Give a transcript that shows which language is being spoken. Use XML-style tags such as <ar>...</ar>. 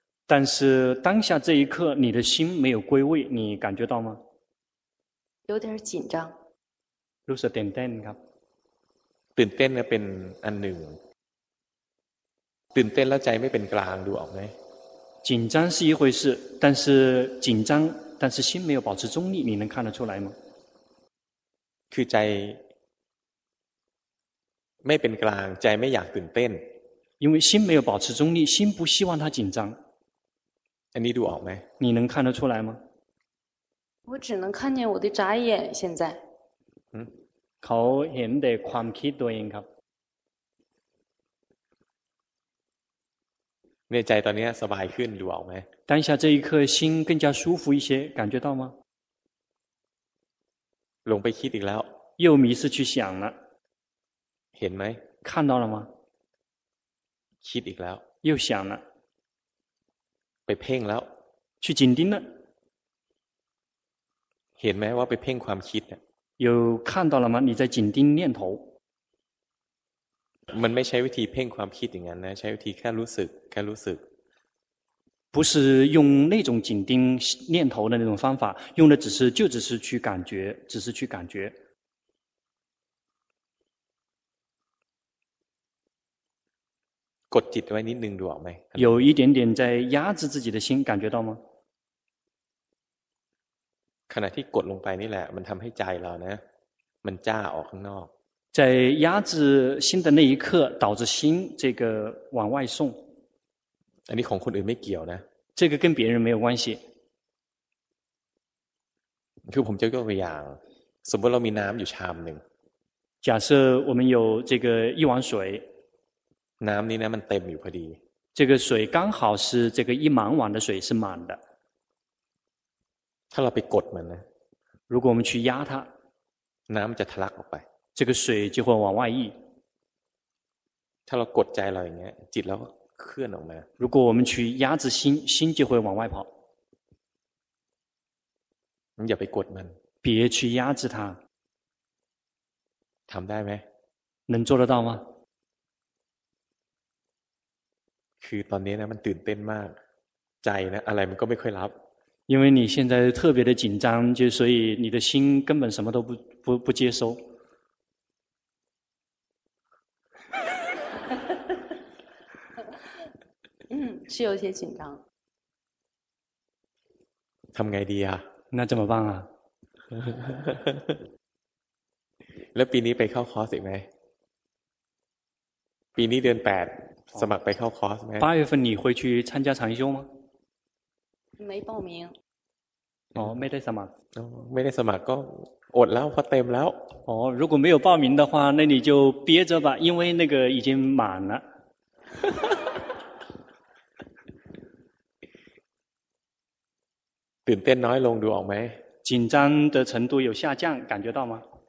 <zh>但是当下这一刻你的心没有归位你感觉到吗有点紧张</zh> <th>รู้สึกตื่นเต้นครับ ตื่นเต้นเนี่ยเป็นอันหนึ่งตื่นเต้นแล้วใจไม่เป็นกลางดูออกไหม</th> <zh>紧张是一回事但是紧张但是心没有保持中立你能看得出来吗</zh> <th>คือใจไม่เป็นกลางใจไม่อยากตื่นเต้น</th> <zh>因为心没有保持中立心不希望它紧张</zh> <th>อันนี้ดูออกไหม</th> <zh>你能看得出来吗我只能看见我的眨眼现在</zh> <th>เขาเห็นแต่ความคิดตัวเองครับ เนี่ยใจตอนนี้สบายขึ้นดูออกไหม</th> <zh>当下这一刻心更加舒服一些感觉到吗</zh> <th>ลงไปคิดอีกแล้ว</th> <zh>又迷失去想了</zh> <th>เห็นไหม</th> <zh>看到了吗</zh> <th>คิดอีกแล้ว</th> <zh>又想了</zh> <th>ไปเพ่งแล้ว</th> <zh>去紧盯了</zh> <th>เห็นไหมว่าไปเพ่งความคิด</th> <zh>有看到了吗你在紧盯念头</zh> <th>มันไม่ใช้วิธีเพ่งความคิดอย่างนั้นนะใช้วิธีแค่รู้สึกแค่รู้สึก</th> <zh>不是用那种紧盯念头的那种方法用的只是去感觉只是去感觉</zh> <th>กดจิตไว้นิดนึงดูออกไหม</th> <zh>有一点点在压制自己的心感觉到吗</zh> <th>ขณะที่กดลงไปนี่แหละมันทำให้ใจเรานะมันจ้าออกข้างนอก</th> <zh>在压制心的那一刻导致心这个往外送</zh> <th>อันนี้ของคนอื่นไม่เกี่ยวนะ</th> <zh>这个跟别人没有关系</zh> <th>คือผมจะยกตัวอย่างสมมติเรามีน้ำอยู่ชามหนึ่ง</th> <zh>假设我们有这个一碗水</zh> <th>น้ำนี้นะมันเต็มอยู่พอดี</th> <zh>这个水刚好是这个一满碗的水是满的</zh> <th>ถ้าเราไปกดมันนะ</th> <zh>如果我们去压它</zh> <th>น้ำจะทะลักออกไป</th> <zh>这个水就会往外溢</zh> <th>ถ้าเรากดใจเราอย่างเงี้ยจิตเราก็เคลื่อนออกมา</th> <zh>如果我们去压制心心就会往外跑</zh> <th>อย่าไปกดมัน</th> <zh>别去压制它</zh> <th>ทำได้ไหม</th> <zh>能做得到吗</zh> <th>คือตอนนี้นะมันตื่นเต้นมากใจนะอะไรมันก็ไม่ค่อยรับ</th> <zh>因为你现在特别的紧张就所以你的心根本什么都不接收是有些紧张</zh> <th>ทำไงดีอ่ะ</th> <zh>那怎么办啊</zh> <th>แล้วปีนี้ไปเข้าคอร์สอีกไหมปีนี้เดือน8สมัครไปเข้าคอร์สไหม</th> <zh>八月份你会去参加禅修吗没报名</zh> <th>哦ไม่ได้สมัคร ไม่ได้สมัครก็อดแล้วพอเต็มแล้ว</th> <zh>哦如果没有报名的话那你就憋着吧因为那个已经满了</zh> <th>ตื่นเต้นน้อยลงดูออกไหม</th> <zh>紧张的程度有下降感觉到吗</zh>